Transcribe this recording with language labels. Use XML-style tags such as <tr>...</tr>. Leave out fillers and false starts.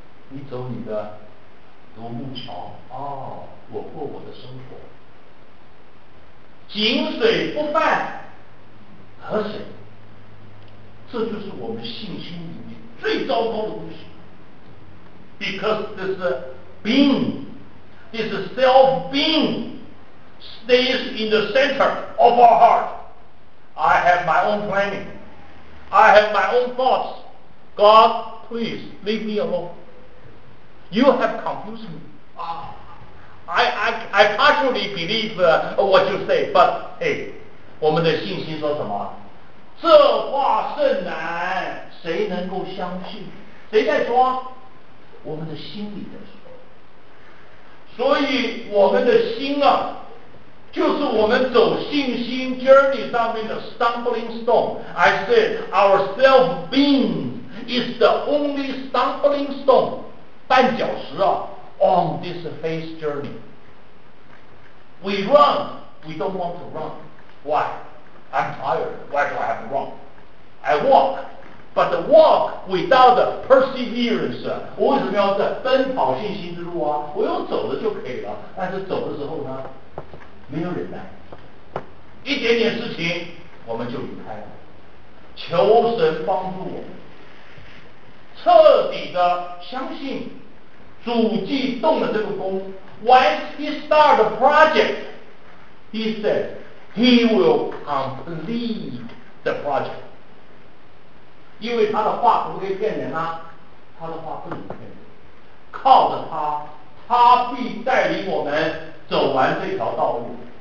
<zh>你走你的独木桥哦，我过我的生活。井水不犯河水，这就是我们信心里面最糟糕的东西。</zh> <en>Because this being, this self being stays in the center of our heart. I have my own planning. I have my own thoughts. God, please leave me alone. You have confused me. I partially believe what you say, but hey,</en> <zh>我们的信心说什么？这话甚难，谁能够相信？谁在说？我们的心里在说。所以我们的心啊，就是我们走信心 journey 上面的</zh> <en>stumbling stone. I said our self being is the only stumbling stone</en> <zh>绊脚石啊</zh> <en>on this faith journey. We run, we don't want to run. Why? I'm tired. Why do I have to run? I walk, but the walk without the perseverance.</en> <zh>我为什么要在奔跑信心之路啊？我用走的就可以了。但是走的时候呢？没有忍耐，一点点事情我们就离开了。求神帮助我们彻底的相信主既动了这个功。</zh> <en>Once he start the project, he said he will complete the project.</en> <zh>因为他的话不会骗人啊，他的话不能骗人，靠着他，他必带领我们走完这条道路。</zh>